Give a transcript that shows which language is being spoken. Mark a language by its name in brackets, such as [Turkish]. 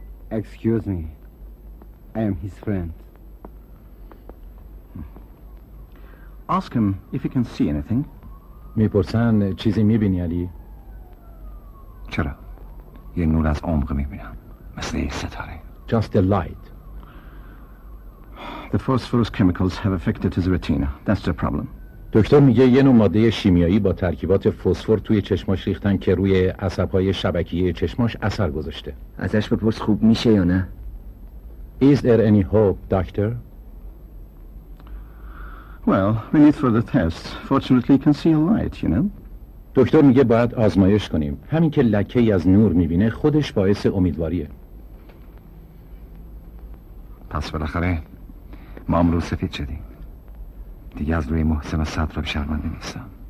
[English] Excuse me. I am his friend. Ask him if he can see anything. [Persian] میپرسن چیزی میبینی علی؟ چرا؟ یه نور از عمق میبینم مثل یه ستاره. [English] Just the light. The phosphorus chemicals have affected his retina. That's the problem. [Persian] دکتر میگه یه نوع ماده شیمیایی با ترکیبات فسفر توی چشماش ریختن که روی عصبهای شبکیه چشماش اثر گذاشته. ازش بپرس خوب میشه یا نه؟ [English] Is there any hope, doctor? Well, we need for the test. Fortunately, you can see a light, you know. [Persian] دکتر میگه باید آزمایش کنیم. همین که لکه‌ای از نور میبینه خودش باعث امیدواریه. پس بالاخره ما امروز سفید شدیم. دیگه از روی محسن و صدرا شرمنده نیستم.